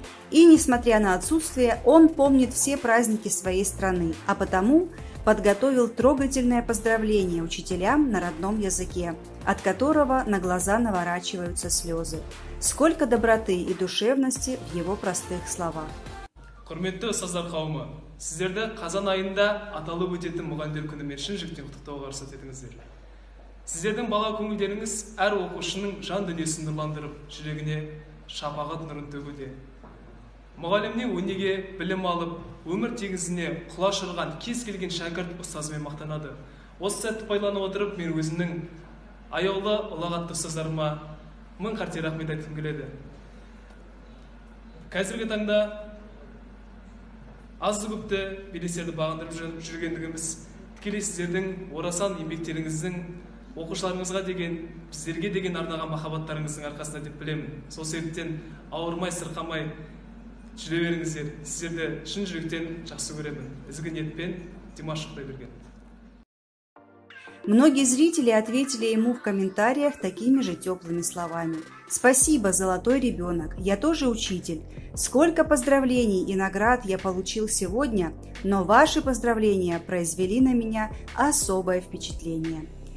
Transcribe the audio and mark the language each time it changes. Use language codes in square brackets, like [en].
[ru] И, несмотря на отсутствие, он помнит все праздники своей страны, а потому подготовил трогательное поздравление учителям на родном языке, от которого на глаза наворачиваются слезы. Сколько доброты и душевности в его простых словах. [kk] Құрметті ұстаздар қауымы, сіздерді қазан айында аталып өтетін мұғалімдер күнімен шын жүректен құттықтауға рұқсат етіңіздер. Сіздердің бала көңілдеріңіз әр оқушының жан дүниесін нұрландырып, жүрегіне шапағат нұрын төгуде. Мұғалімнен өнеге білім алып, өмір теңізіне құлаш ұрған кез келген шәкірт ұстазымен мақтанады. Осы сәтті пайдаланып отырып, мен өзімнің аяулы ұлағатты ұстаздарыма мың қате рахмет айтқым келеді. Қазіргі таңда азды көпті белестерді бағындырып жүргендігіміз тікелей сіздердің орасан еңбектеріңіздің оқушыларыңызға деген, біздерге деген арнаған махаббаттарыңыздың арқасында деп білемін. Сол себептен ауырмай сырқамай жүре беріңіздер. Сіздерді шын жүректен жақсы көремін. Ізгі ниетпен Димаш Құдайберген. [ru] Многие зрители ответили ему в комментариях такими же теплыми словами. «Спасибо, золотой ребенок, я тоже учитель. Сколько поздравлений и наград я получил сегодня, но ваши поздравления произвели на меня особое впечатление».